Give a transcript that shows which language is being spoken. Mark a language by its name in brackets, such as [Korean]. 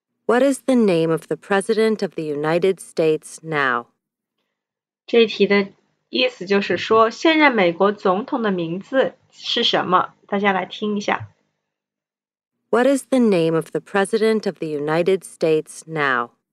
[English] What is the name of the President of the United States now? [Chinese] 这一题的意思就是说，现任美国总统的名字是什么？大家来听一下。 [English] What is the name of the President of the United States now?